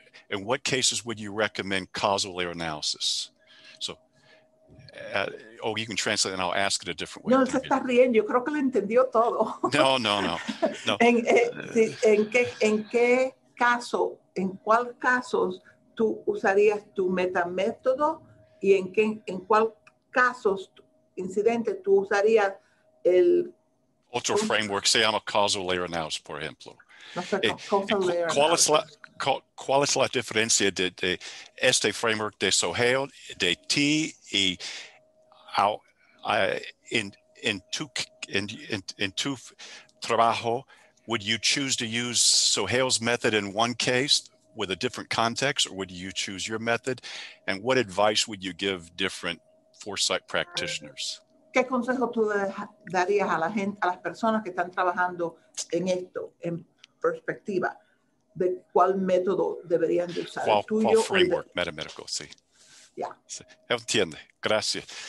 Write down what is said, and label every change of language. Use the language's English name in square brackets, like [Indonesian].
[English] In what cases would you recommend causal layer analysis? So, you can translate and I'll ask it a different way. [Spanish] No, se está riendo. Yo creo que lo entendió todo. No. ¿En qué casos tú usarías tu meta método y en cuál casos incidente tú usarías el otro framework, se llama causal layer analysis, por ejemplo. ¿Cuál es la diferencia de este framework de Soheil, de ti, y en tu trabajo, [English] would you choose to use Soheil's method in one case with a different context, or would you choose your method? And what advice would you give different foresight practitioners? [Spanish] ¿Qué consejo tú darías a la gente, a las personas que están trabajando en esto, en perspectiva, de cuál método deberían de usar? ¿Cuál, el tuyo? ¿Cuál framework metamédico? Sí. Ya. Yeah. Sí. Entiende. Gracias.